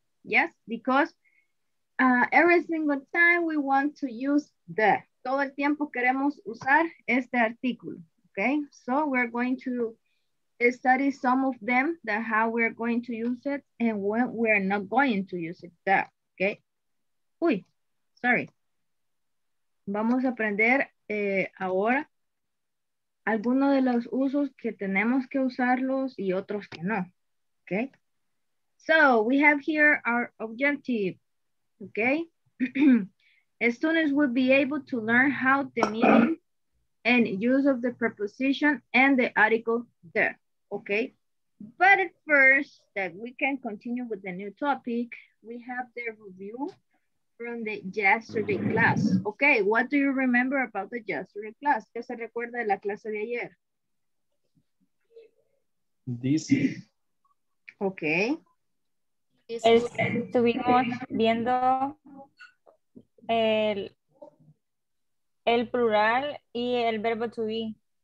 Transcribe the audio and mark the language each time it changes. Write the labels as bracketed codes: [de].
[en] Yes, because every single time we want to use the. [es] Todo el tiempo queremos usar este artículo. [en] Okay, so we're going to study some of them, that how we're going to use it and when we're not going to use it. That, okay. Uy, sorry. [es] Vamos a aprender ahora algunos de los usos que tenemos que usarlos y otros que no. [en] Okay. So we have here our objective. Okay. Students will be able to learn how the meaning and use of the preposition and the article the. Okay, but at first that we can continue with the new topic, we have the review from the yesterday class. Okay, what do you remember about the yesterday class? [es] ¿Qué se recuerda de la clase de ayer? [en] This. Okay. [es] Estuvimos viendo el plural y el verbo to be.